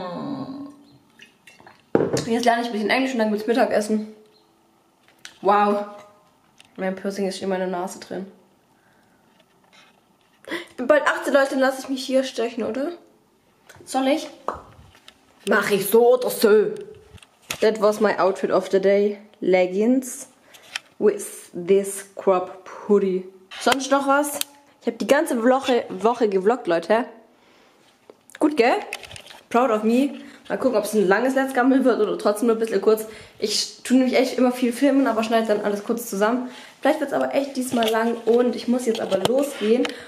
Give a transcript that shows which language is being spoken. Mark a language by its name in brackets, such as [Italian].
[German] Mm-hmm. Jetzt lerne ich ein bisschen Englisch und dann gibt's Mittagessen. Wow. Mein Piercing ist immer in der Nase drin. Ich bin bald 18, Leute, dann lasse ich mich hier stechen, oder? Soll ich? Mach ich so oder so. [English] That was my outfit of the day. Leggings with this crop hoodie. [German] Sonst noch was? Ich habe die ganze Woche gevloggt, Leute. Gut, gell? Proud of me. Mal gucken, ob es ein langes Let's Gamble wird oder trotzdem nur ein bisschen kurz. Ich tue nämlich echt immer viel filmen, aber schneide dann alles kurz zusammen. Vielleicht wird es aber echt diesmal lang und ich muss jetzt aber losgehen.